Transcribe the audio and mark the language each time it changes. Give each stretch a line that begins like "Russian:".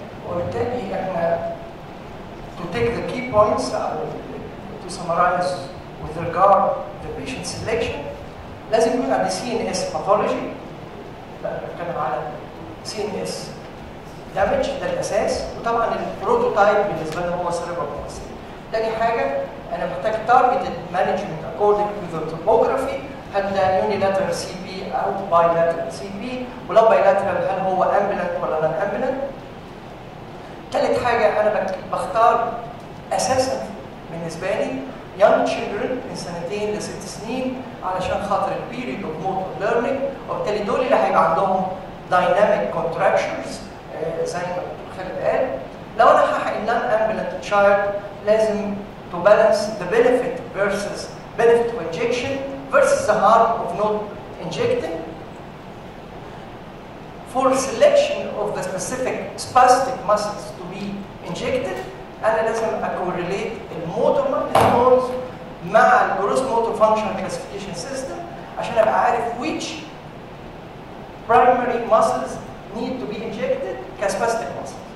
Arabic: وبالتالي احنا
English: to take the key points to summarize with regard to the patient selection
Arabic: لازم يكون عندي سي ان اس باثولوجي بنتكلم على سي ان اس دامج ده الاساس وطبعا البروتوتايب بالنسبه لنا هو سيريبرال بالسي. تاني حاجه انا محتاج
English: targeted management according to the topography
Arabic: هل ده
English: unilateral CP او bilateral CP
Arabic: ولو bilateral هل هو
English: ambulant ولا non ambulant.
Arabic: تالت حاجة أنا بختار أساسا بالنسبة لي young children من سنتين لست سنين علشان خاطر الـ
English: period of motor learning
Arabic: وبالتالي دول اللي هيبقى عندهم
English: dynamic contractions
Arabic: زي ما خالد قال. لو أنا هحقق الـ
English: non-ambulant child لازم to balance the benefit versus benefit of injection versus the harm of not injecting. For selection of the specific spastic muscles to be injected,
Arabic: أنا لازم أكوريليت الموتور مايلستونز مع الجروس موتور فانكشن كلاسيفيكيشن سيستم عشان أبقى عارف
English: which primary muscles need to be injected كاسباستيك muscles.